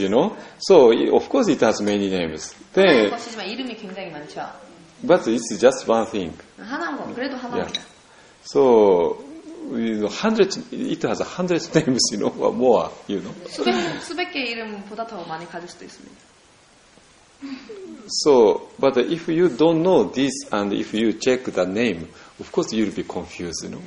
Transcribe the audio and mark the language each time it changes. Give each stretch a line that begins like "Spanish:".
Korean: 아테말을 말씀하신 건지 아니면
English: 내추럴 마인드
Korean: 하나인 것이지만 이름이 굉장히 많죠.
English: But it's just one thing.
Korean: 하나인 것, 그래도 하나입니다.
English: Yeah. So, it has hundreds of names, you know, or more, you know.
Korean: 수백 개 이름보다 더 많이 가질 수도 있습니다.
English: So, but if you don't know this and if you check the name, of course you'll be confused, you know.